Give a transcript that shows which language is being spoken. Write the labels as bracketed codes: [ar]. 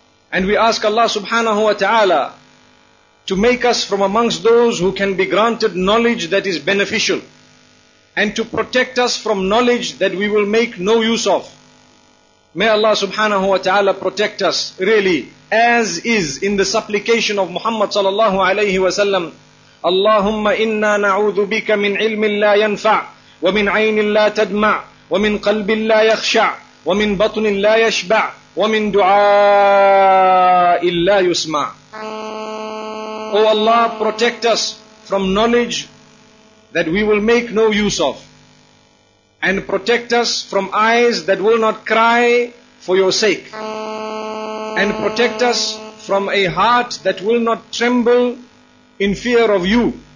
[en] And we ask Allah subhanahu wa ta'ala to make us from amongst those who can be granted knowledge that is beneficial, and to protect us from knowledge that we will make no use of. May Allah subhanahu wa ta'ala protect us, really, as is in the supplication of Muhammad sallallahu alayhi wa sallam. [ar] اللهم إنا نعوذ بك من علم لا ينفع ومن عين لا تدمع ومن قلب لا يخشع ومن بطن لا يشبع ومن دعاء لا يسمع. [en] O Allah, protect us from knowledge that we will make no use of, and protect us from eyes that will not cry for your sake, and protect us from a heart that will not tremble in fear of you,